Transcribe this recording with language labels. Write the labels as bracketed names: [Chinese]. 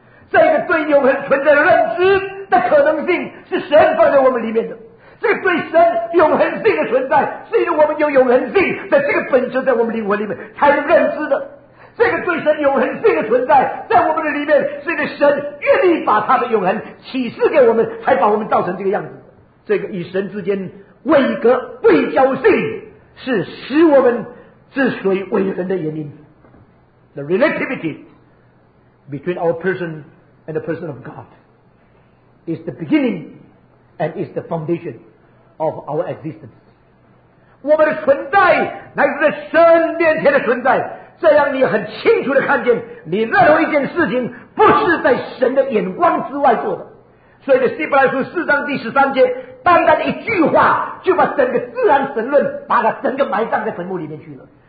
[Chinese] 这个对永恒存在的认知的可能性是神放在我们里面的，这个对神永恒性的存在是因为我们有永恒性的这个本质在我们灵魂里面才能认知的。这个对神永恒性的存在在我们的里面，是因为神愿意把他的永恒启示给我们，才把我们造成这个样子。这个与神之间位格对焦性是使我们之所以为人的原因。 [English] The relativity between our person and the person of God is the beginning and is the foundation of our existence。 [Chinese] 我们的存在乃是在神面前的存在，这样你很清楚地看见你任何一件事情不是在神的眼光之外做的。所以在希伯来书4章第13节，单单的一句话就把整个自然神论把它整个埋葬在坟墓里面去了。